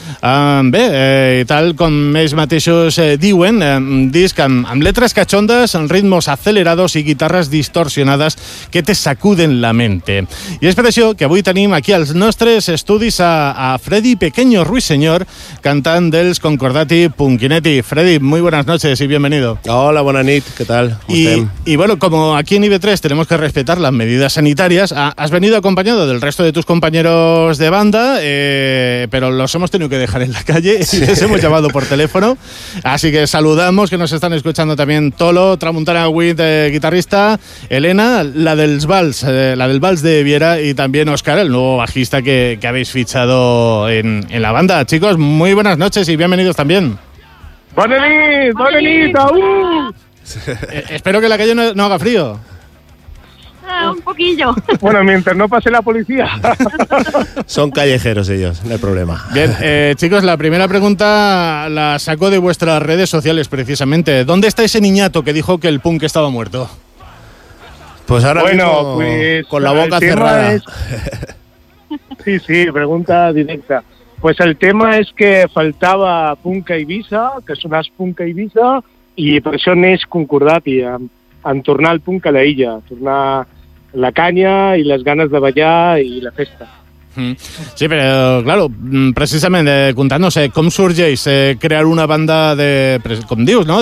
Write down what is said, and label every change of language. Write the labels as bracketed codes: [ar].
[ca] Tal com ells mateixos diuen, disc amb letres cachondes, amb ritmos acelerados i guitarras distorsionades [es] que te sacuden la mente. [ca] I és per això que avui tenim aquí els nostres estudis a Freddy Pequeño Ruiseñor, cantant dels Concordati Punkinetti. [es] Freddy, muy buenas noches y bienvenido. Hola, buena nit, ¿qué tal? Y bueno, como aquí en IB3 tenemos que respetar las medidas sanitarias, has venido acompañado del resto de tus compañeros de banda, pero los hemos tenido que dejar en la calle y les hemos llamado por teléfono. Así que saludamos, que nos están escuchando también Tolo, Tramuntana Witt, guitarrista, Elena, la del vals de Viera, y también Óscar, el nuevo bajista que habéis fichado en la banda. Chicos, muy buenas noches y bienvenidos también. ¡Buenas noches! Espero que la calle no haga frío. Un poquillo. Bueno, mientras no pase la policía. Son callejeros ellos, no hay problema. Bien, chicos, la primera pregunta la saco de vuestras redes sociales, precisamente. ¿Dónde está ese niñato que dijo que el punk estaba muerto? Pues ahora bueno, mismo, pues, con la boca cerrada. Sí, pregunta directa. [ca] Pues el tema es que faltava punk a Eivissa, que sonàs punk a Eivissa, i per això neix Concordati, en tornar el punk a l'illa, tornar la canya i les ganes de ballar i la festa. Sí, però, claro, precisament, contant-nos com sorgeix crear una banda de, com dius, no?